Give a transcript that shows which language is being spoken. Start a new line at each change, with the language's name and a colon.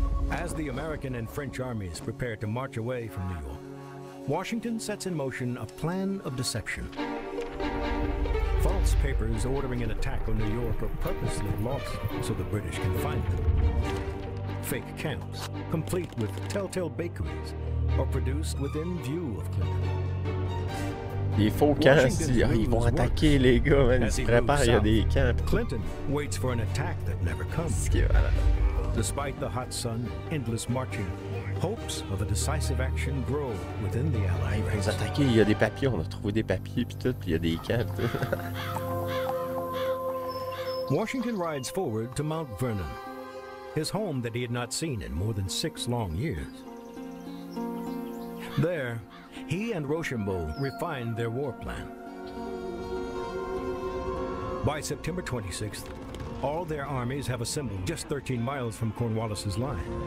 English: As the American and French armies prepare to march away from New York, Washington sets in motion a plan of deception. False papers ordering an attack on New York are purposely lost so the British can find them. Fake camps, complete with telltale bakeries, are produced within view of Clinton.
French: Les faux camps, ils vont attaquer les gars, man. Ils se préparent, il y a des camps.
English: Clinton waits for an attack that never comes. Despite the hot sun, endless marching, hopes of a decisive action grow within the Allied ranks.
French: Ils vont attaquer, il y a des papiers, on a trouvé des papiers, puis tout, puis il y a des camps, tout.
English: Washington rides forward to Mount Vernon, his home that he had not seen in more than six long years. There, he and Rochambeau refined their war plan. By September 26th, all their armies have assembled just 13 miles from Cornwallis's line.